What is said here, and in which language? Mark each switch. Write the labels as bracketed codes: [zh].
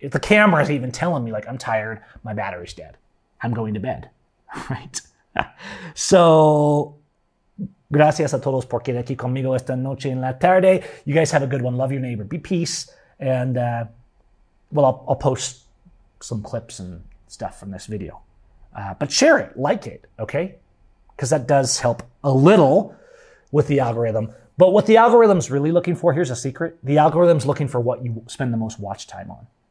[en] The camera is even telling me, like, I'm tired. My battery's dead. I'm going to bed. Right? [es] So, gracias a todos por quedar aquí conmigo esta noche en la tarde. [en] You guys have a good one. Love your neighbor. Be peace. And, I'll post some clips and stuff from this video. But share it. Like it. Okay? Because that does help a little with the algorithm. But what the algorithm's really looking for, here's a secret. The algorithm's looking for what you spend the most watch time on.